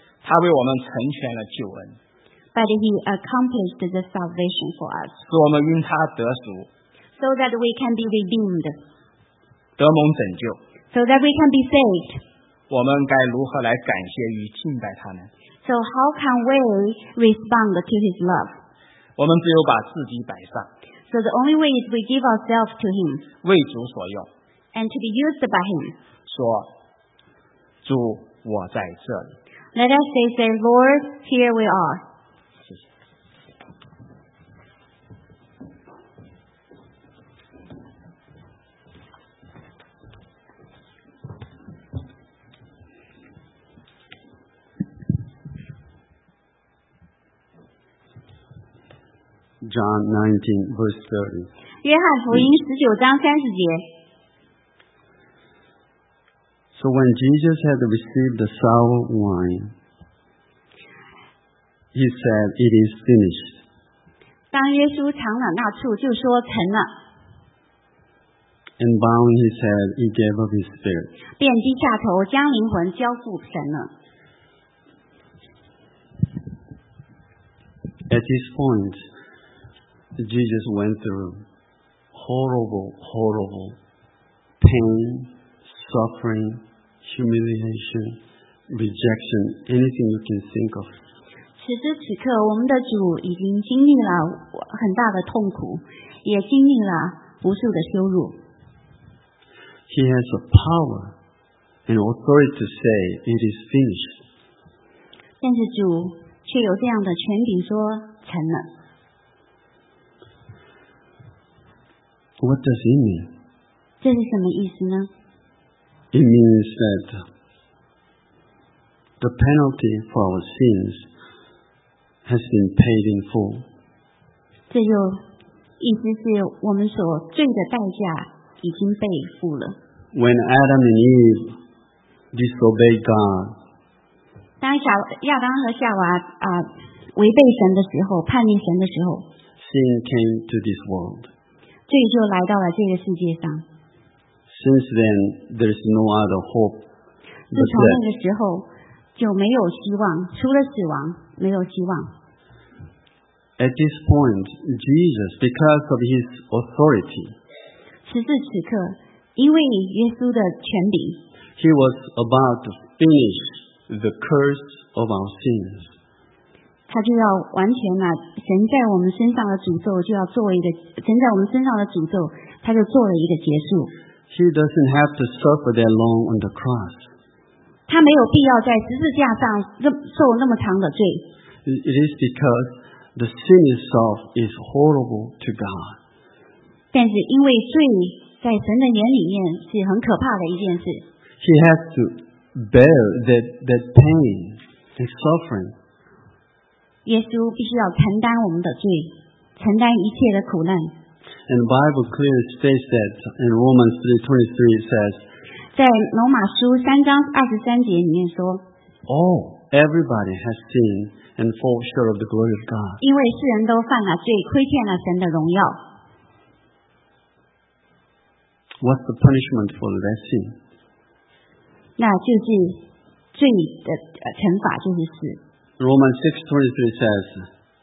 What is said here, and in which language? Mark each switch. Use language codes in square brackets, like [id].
[zh] 他为我们成全了救恩。 [en] But he accomplished the salvation for us. [zh] 使我们因他得赎。 [en] So that we can be redeemed. [zh] 得蒙拯救。 [en] So that we can be saved. [zh] 我们该如何来感谢与敬拜他呢？ [en] So how can we respond to his love? [zh] 我们只有把自己摆上。 [en] So the only way is we give ourselves to him. [zh] 为主所用。 [en] And to be used by him. [zh] 说，主，我在这里。 [en] Let us say, Lord, here we are. John 19, verse 30. [zh] 约翰福音十九章三十节。 [en] So when Jesus had received the sour wine, he said, "It is finished." [zh] 当耶稣尝了那醋，就说成了。 [en] And bowing his head, he gave up his spirit. [zh] 便低下头，将灵魂交付神了。 [en] At this point, Jesus went through horrible, horrible pain, suffering, humiliation, rejection, anything you can think of. [zh] 此时此刻，我们的主已经经历了很大的痛苦，也经历了无数的羞辱。 [en] He has the power and authority to say it is finished. [zh] 但是主却有这样的权柄说成了。 [en] What does it mean? [zh] 这是什么意思呢？ [en] It means that the penalty for our sins has been paid in full. [zh] 这就意思是我们所罪的代价已经被付了。 [en] When Adam and Eve disobeyed God, [zh] 当亚当和夏娃违背神的时候，叛逆神的时候， [en] sin came to this world. [zh] 罪就来到了这个世界上。 [en] Since then, there is no other hope. [zh] 自从那个时候就没有希望，除了死亡没有希望。 [en] At this point, Jesus, because of his authority, [zh] 此时此刻，因为耶稣的权柄， [en] he was about to finish the curse of our sins. [zh] 他就要完全了神在我们身上的诅咒，就要做一个神在我们身上的诅咒，他就做了一个结束。 [en] He doesn't have to suffer that long on the cross. [zh] 他没有必要在十字架上受那么长的罪。 [en] It is because the sin itself is horrible to God. [zh] 但是因为罪在神的眼里面是很可怕的一件事。 [en] He has to bear that pain and suffering. [zh] 耶稣必须要承担我们的罪，承担一切的苦难。 [en] And the Bible clearly states that in Romans 3:23 it says, [zh] 在罗马书三章二十三节里面说， [en] Oh, everybody has sinned and fall short of the glory of God. [zh] 因为世人都犯了罪，亏欠了神的荣耀。 [en] What's the punishment for that sin? [zh] 那就是罪的惩罚，就是死。 [en] Romans 6:23 says,